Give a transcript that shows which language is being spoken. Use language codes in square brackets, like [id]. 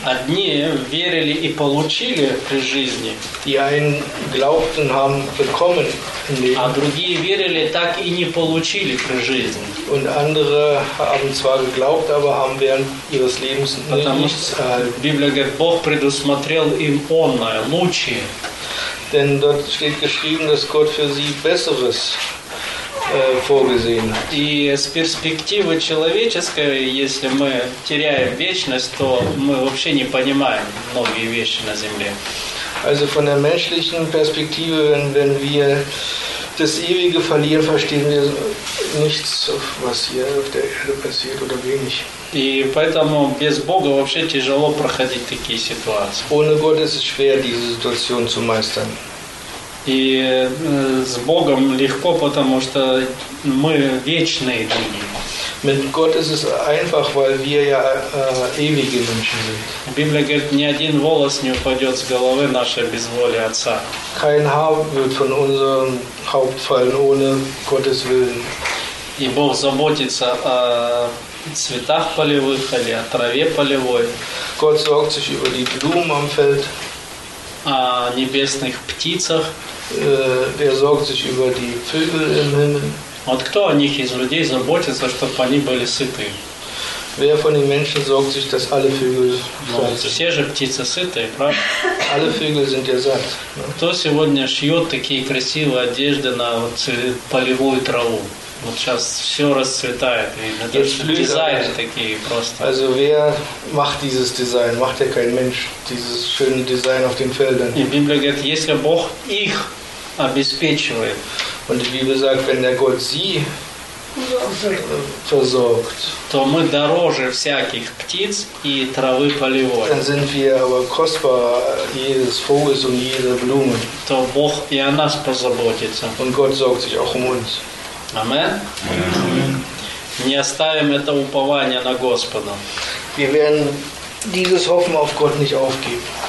[ru] Одни верили и получили при жизни. [de] Die einen glaubten, haben bekommen. [ru] А другие верили, так и не получили при жизни. [de] Und andere haben zwar geglaubt, aber haben während ihres Lebens nichts erhalten. [ru] Библия говорит, Бог предусмотрел им онное, лучшее. [de] Denn dort steht geschrieben, dass Gott für sie Besseres vorgesehen hat. [ru] И с перспективы человеческой, если мы теряем вечность, то мы вообще не понимаем многие вещи на земле. [de] Also von der menschlichen Perspektive, wenn wir das Ewige verlieren, verstehen wir nichts, was hier auf der Erde passiert oder wenig. [ru] И поэтому без Бога вообще тяжело проходить такие ситуации. [de] Ohne Gott ist es schwer, diese Situation zu meistern. [ru] И с Богом легко, потому что мы вечные люди. [de] Mit Gott ist es einfach, weil wir ja ewige Menschen sind. [ru] Библия говорит, ни один волос не упадет с головы нашей без воли Отца. [de] Kein Haar wird von unserem Haupt fallen ohne Gottes Willen. [ru] И Бог заботится о цветах полевых или о траве полевой. [de] Gott sorgt sich über die Blumen am Feld. [ru] О небесных птицах. [de] Er sorgt sich über die Vögel im Himmel. [ru] Вот кто о них из людей заботится, чтобы они были сыты? [de] Wer von den Menschen sorgt sich, dass alle Vögel satt? [ru] Все же птицы сытые, правда? [de] Alle Vögel sind ja satt. [ru] Кто сегодня шьет такие красивые одежды на полевую траву? Вот сейчас все расцветает. Это дизайны такие просто. [de] Also wer macht dieses Design? Macht ja kein Mensch dieses schöne Design auf den Feldern. [ru] И Библия говорит, если Бог их обеспечивает. [de] Und die Bibel sagt, wenn der Gott sie versorgt, [ru] то мы дороже всяких птиц и травы полевой. [de] Dann sind wir aber kostbar jedes Vogels und jede Blume. [ru] То Бог и о нас позаботится. [de] Und Gott sorgt sich auch um uns. Amen. [ru] Не оставим это упование на Господа. [de] Wir werden dieses Hoffen auf Gott nicht aufgeben.